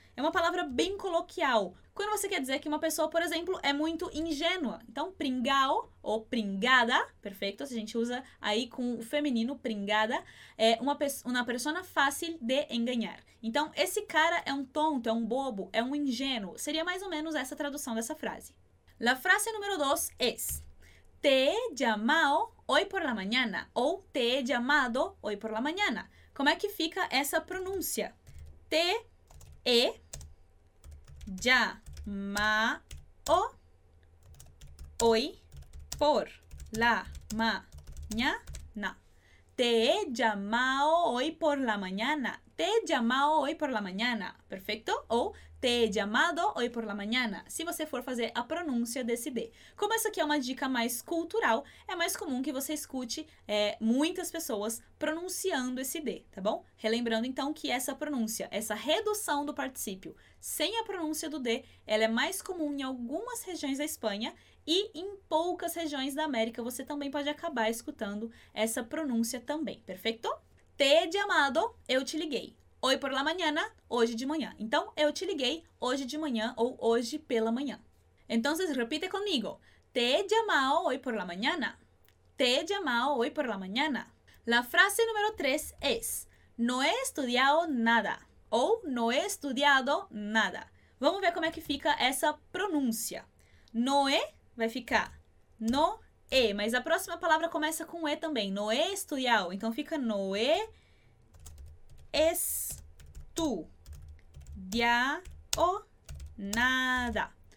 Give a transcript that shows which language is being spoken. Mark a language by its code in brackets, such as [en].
[pt] É uma palavra bem coloquial. Quando você quer dizer que uma pessoa, por exemplo, é muito ingênua. Então, pringao ou pringada, perfeito? Se a gente usa aí com o feminino, pringada, é uma persona fácil de enganar. Então, esse cara é um tonto, é um bobo, é um ingênuo. Seria mais ou menos essa tradução dessa frase. [es] La frase número 2 es: te he llamado hoy por la mañana. Ou te he llamado hoy por la mañana. [pt] Como é que fica essa pronúncia? [es] Te e já ma o oi por la mañana. Te he llamado hoy por la mañana. Te he llamado hoy por la mañana. Perfeito? Ou te he llamado hoy por la mañana. [pt] Se você for fazer a pronúncia desse D. Como essa aqui é uma dica mais cultural, é mais comum que você escute muitas pessoas pronunciando esse D, tá bom? Relembrando então que essa pronúncia, essa redução do particípio sem a pronúncia do D, ela é mais comum em algumas regiões da Espanha e em poucas regiões da América você também pode acabar escutando essa pronúncia também, perfeito? [es] Te he llamado, [pt] eu te liguei. [es] Hoy por la mañana, [pt] hoje de manhã. Então, eu te liguei hoje de manhã ou hoje pela manhã. Então, repite comigo. [es] Te he llamado hoy por la mañana. Te he llamado hoy por la mañana. La frase número 3 es: no he estudiado nada. Ou no he estudiado nada. [pt] Vamos ver como é que fica essa pronúncia. No he vai ficar no e, mas a próxima palavra começa com e também. [es] No he estudiado. [pt] Então, fica [es] no he estudiado nada.